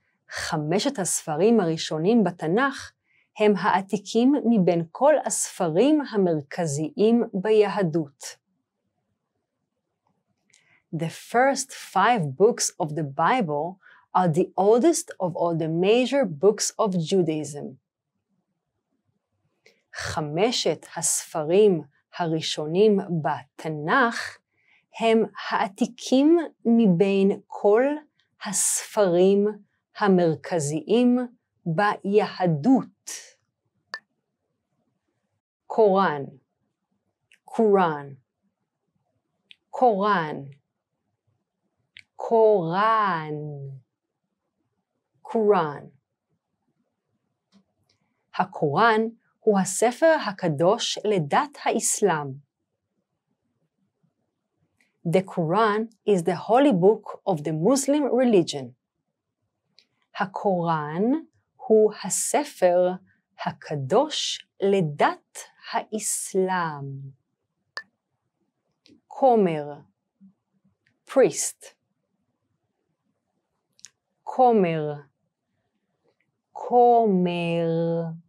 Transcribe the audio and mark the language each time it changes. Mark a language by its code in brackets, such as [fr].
[he] חמשת הספרים הראשונים בתנך הם העתיקים מבין כל הספרים המרכזיים ביהדות. [en] The first five books of the Bible are the oldest of all the major books of Judaism. [he] חמשת הספרים הראשונים בתנך הם העתיקים מבין כל הספרים המרכזיים ביהדות. קוראן. קוראן. קוראן. קוראן. קוראן. הקוראן הוא הספר הקדוש לדת האסלאם. [en] The Quran is the holy book of the Muslim religion. [he] הקוראן הוא הספר הקדוש לדת האסלאם. כומר. [en] Priest. [he] כומר. כומר.